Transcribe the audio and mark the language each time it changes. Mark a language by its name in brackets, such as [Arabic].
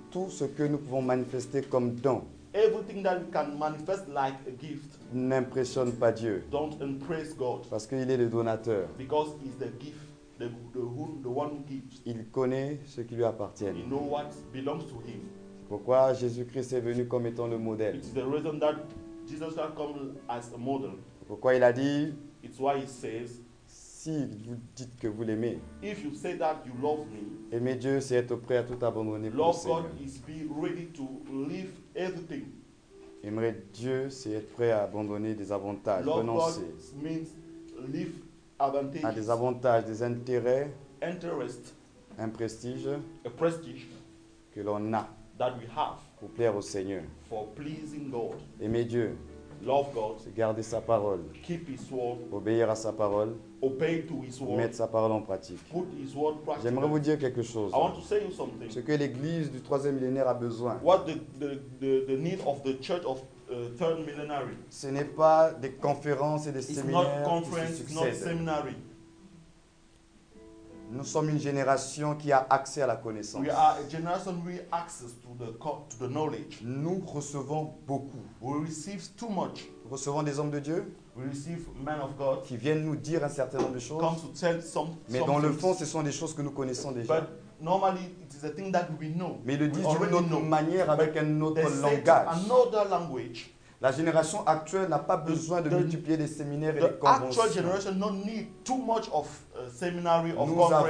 [French] tout ce que nous pouvons manifester comme don, [English] everything that we can manifest like a gift, [French] n'impressionne pas Dieu. [English] Don't impress God, [French] parce qu'il est le donateur. [English] Because he's the gift, the one who gives. [French] Il connaît ce qui lui appartient. [English] He knows what belongs to him. [French] C'est pourquoi Jésus-Christ est venu comme étant le modèle. [English] It's the reason that Jesus has come as a model. [French] Pourquoi il a dit? [English] It's why he says. [French] Si vous dites que vous l'aimez, [English] if you say that you love me, [French] aimer Dieu, c'est être prêt à tout abandonner [English] love [French] pour le Seigneur. [English] God is be ready to leave everything. [French] Aimer Dieu, c'est être prêt à abandonner des avantages, [English] love [French] renoncer [English] God means leave advantages, [French] à des avantages, des intérêts, [English] interest, [French] un prestige, [English] a prestige [French] que l'on a [English] that we have [French] pour plaire au Seigneur. [English] For pleasing God. [French] Aimer Dieu, [English] Love God. [French] Garder sa parole. [English] Keep His word. [French] Obéir à sa parole. [English] Obey to His word. [French] Mettre sa parole en pratique. [English] Put His word practical. [French] J'aimerais vous dire quelque chose. [English] I want to say you something. [French] Ce que l'Église du troisième millénaire a besoin. [English] What the need of the church of third millennium. [French] Ce n'est pas des conférences et des [English] It's [French] séminaires. [English] It's not conference, [French] qui se succèdent. [English] Not seminary. [French] Nous sommes une génération qui a accès à la connaissance. [English] We are a generation with access to the knowledge. [French] Nous recevons beaucoup. [English] We receive too much. [French] Nous recevons des hommes de Dieu. [English] We receive men of God. [French] Qui viennent nous dire un certain nombre de choses. [English] Come to tell some. [French] Mais dans le fond, ce sont des choses que nous connaissons déjà. [English] But normally, it is a thing that we know. [French] Mais ils le disent d'une autre [English] know. [French] Manière, [English] But [French] avec un autre langage. [English] Another language. [French] La génération actuelle n'a pas besoin de multiplier des séminaires et des conventions. [English] The actual generation don't need too much of seminary or conferences.